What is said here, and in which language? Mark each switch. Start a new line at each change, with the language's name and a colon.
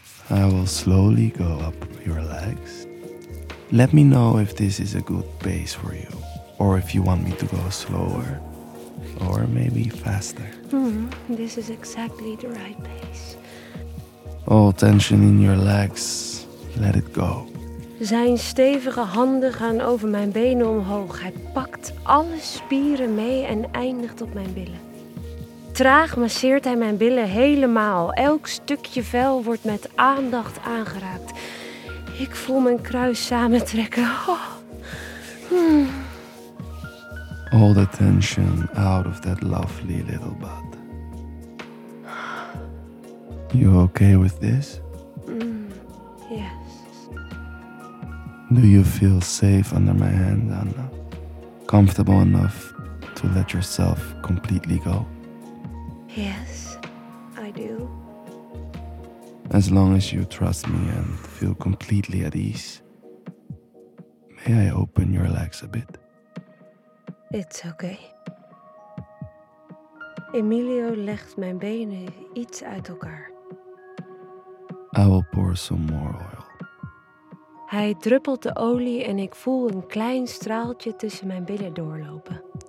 English: I will slowly go up your legs. Let me know if this is a good pace for you. Or if you want me to go slower. Or maybe faster. This is exactly the right pace. All tension in your legs, let it go.
Dutch: Zijn stevige handen gaan over mijn benen omhoog. Hij pakt alle spieren mee en eindigt op mijn billen. Traag masseert hij mijn billen helemaal. Elk stukje vel wordt met aandacht aangeraakt. Ik voel mijn kruis samentrekken.
English: All the tension out of that lovely little butt. You okay with this? Yes. Do you feel safe under my hand, Anna? Comfortable enough to let yourself completely go? Yes, I do. As long as you trust me and feel completely at ease, May I open your legs a bit? It's okay.
Dutch: Emilio legt mijn benen iets uit elkaar.
English: I will pour some more oil.
Dutch: Hij druppelt de olie en ik voel een klein straaltje tussen mijn billen doorlopen.